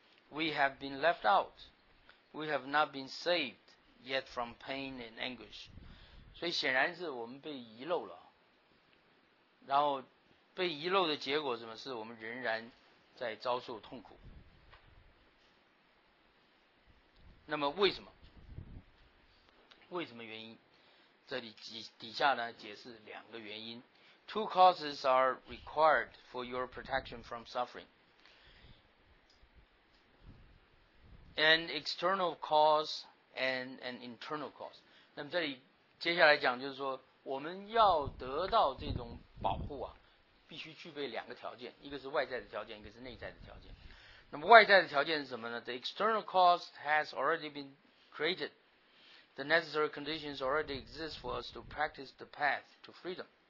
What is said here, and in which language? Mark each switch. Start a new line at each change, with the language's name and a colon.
English: We have been left out， we have not been saved yet from pain and anguish，
Chinese: 所以显然是我们被遗漏了，然后被遗漏的结果是什么？是我们仍然在遭受痛苦。那么为什么原因？这里底下呢解释两个原因。
English: Two causes are required for your protection from suffering. An external cause and an internal cause.
Chinese: 那么这里接下来讲就是说，我们要得到这种保护啊，必须具备两个条件，一个是外在的条件，一个是内在的条件。那么外在的条件是什么呢？
English: The external cause has already been created. The necessary conditions already exist for us to practice the path to freedom.